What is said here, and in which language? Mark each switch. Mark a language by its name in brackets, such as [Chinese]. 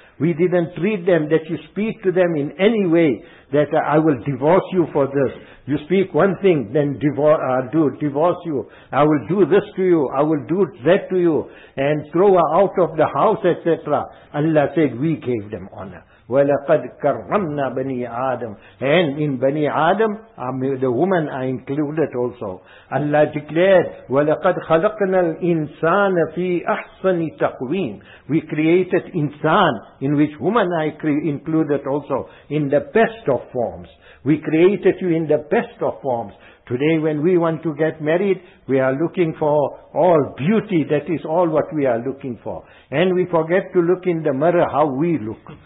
[English] We didn't treat them that you speak to them in any way that I will divorce you for this. You speak one thing, then divorce you. I will do this to you. I will do that to you. And throw her out of the house, etc. Allah said, we gave them honor. [Arabic] وَلَقَدْ كَرَّمْنَا بَنِي Adam. [English] And in Bani Adam, the women are included also. Allah declared, [Arabic] وَلَقَدْ خَلَقْنَا الْإِنسَانَ فِي أَحْسَنِ تَقْوِيمٍ. [English] We created insan, in which women are included also, in the best of forms. We created you in the best of forms. Today when we want to get married, we are looking for all beauty. That is all what we are looking for. And we forget to look in the mirror how we look.